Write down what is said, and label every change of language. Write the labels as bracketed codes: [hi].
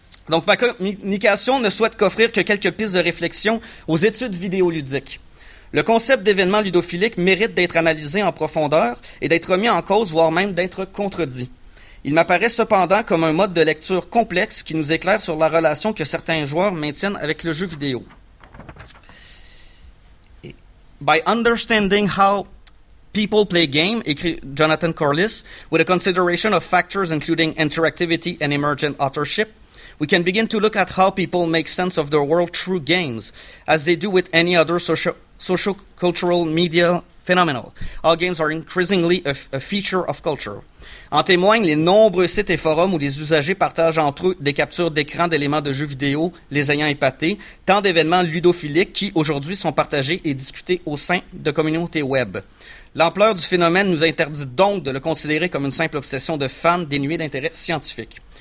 [fr] Donc, ma communication ne souhaite qu'offrir que quelques pistes de réflexion aux études vidéoludiques. Le concept d'événement ludophilique mérite d'être analysé en profondeur et d'être remis en cause, voire même d'être contredit. Il m'apparaît cependant comme un mode de lecture complexe qui nous éclaire sur la relation que certains joueurs maintiennent avec le jeu vidéo. [en] By understanding how people play game, [fr] écrit [en] Jonathan Corliss, with a consideration of factors including interactivity and emergent authorship, we can begin to look at how people make sense of their world through games, as they do with any other social-cultural media phenomenal. All games are increasingly a feature of culture. [fr] En témoignent les nombreux sites et forums où les usagers partagent entre eux des captures d'écran d'éléments de jeux vidéo les ayant épatés, tant d'événements ludophiliques qui, aujourd'hui, sont partagés et discutés au sein de communautés web. L'ampleur du phénomène nous interdit donc de le considérer comme une simple obsession de fans dénuée d'intérêt scientifique.